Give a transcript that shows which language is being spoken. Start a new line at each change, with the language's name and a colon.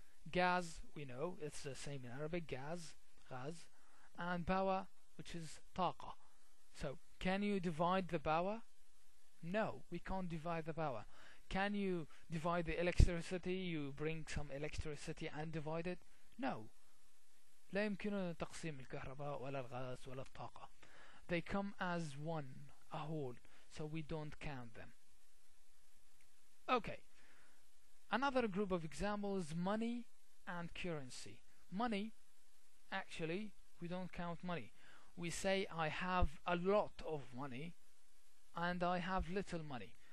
English: Gas, we know, it's the same in Arabic, gas, and power, which is طاقة. So, can you divide the power? No, we can't divide the power. Can you divide the electricity? You bring some electricity and divide it? No.
Arabic: لا يمكننا تقسيم الكهرباء ولا الغاز ولا الطاقة.
English: They come as one, a whole, so we don't count them. Okay. Another group of examples, money and currency. Money, actually, we don't count money. We say, I have a lot of money and I have little money.